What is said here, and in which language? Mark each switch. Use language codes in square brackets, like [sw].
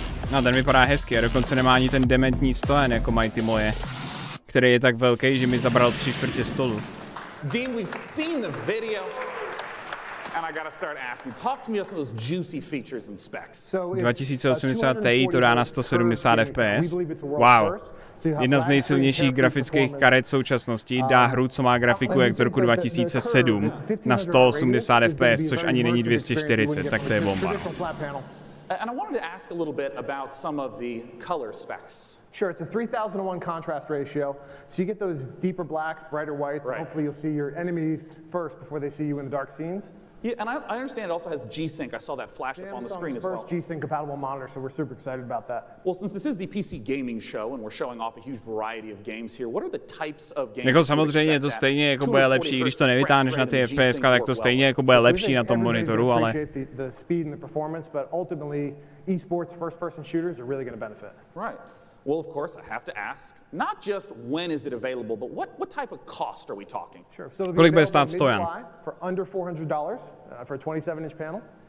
[cs] No ten vypadá hezky a dokonce nemá ani ten dementní stojan jako mají ty moje, který je tak velký, že mi zabral 3/4 stolu. [en] Dean, we've seen the video. And I gotta start asking. Talk to me about some of those juicy features and specs. [cs] So 2080 Ti to dá na 170 FPS. Wow. Jedna z nejsilnějších grafických karet současnosti dá hru, co má grafiku jak z roku 2007 na 180 FPS, což ani není 240, tak to je bomba. [en] And I wanted to ask a little bit about some of the color specs. Sure, it's a 3000:1 contrast ratio. So you get those deeper blacks, brighter whites. Right. Hopefully you'll see your enemies first before they see you in the dark scenes. Yeah, and I understand it also has G-Sync. I saw that flash up on the screen as well. Samsung's first G-Sync compatible monitor, so we're super excited about that. Well, since this is the PC gaming show and we're showing off a huge variety of games here, what are the types of games? [cs] Jako samozřejmě to stejně jako bude lepší, když to nevytáhneš na ty FPS, tak to stejně jako bude lepší na tom monitoru, ale [en] the speed and the performance, but ultimately esports first person shooters are really going to benefit. Right. Well, of course, I have to ask, not just when is it available, but what type of cost are we talking? Sure, so it'll be available for under $400 for a 27-inch panel.